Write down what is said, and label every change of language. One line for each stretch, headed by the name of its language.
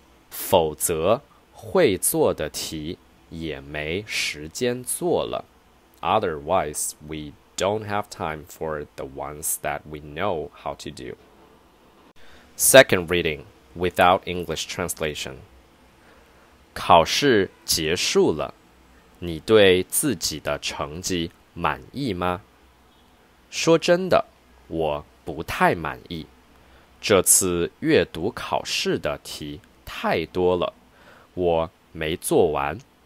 Chinese: 否则会做的题也没时间做了。
English: Otherwise, we don't have time for the ones that we know how to do. Second reading, without English translation.
Chinese: 考试结束了，你对自己的成绩满意吗？说真的，我不太满意。这次阅读考试的题太多了，我没做完。